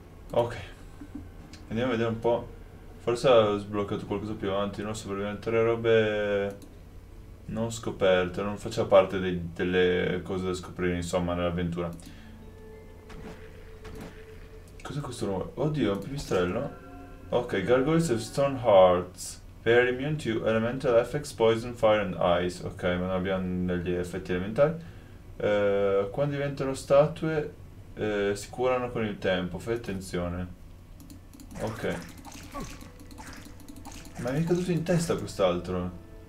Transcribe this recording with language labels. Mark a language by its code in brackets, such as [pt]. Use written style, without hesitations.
[it] Ok, andiamo a vedere un po'. Forse ho sbloccato qualcosa più avanti, non so, perché tre robe non scoperte, non faceva parte delle cose da scoprire, insomma, nell'avventura. Cos'è questo nuovo? Oddio, è un pipistrello. [en] Ok, Gargoyles of Stone Hearts. They are immune to elemental effects, poison, fire and ice. [it] Ok, ma non abbiamo degli effetti elementari. Quando diventano statue, si curano con il tempo. Fai attenzione. Ok. Ma mi è caduto in testa quest'altro.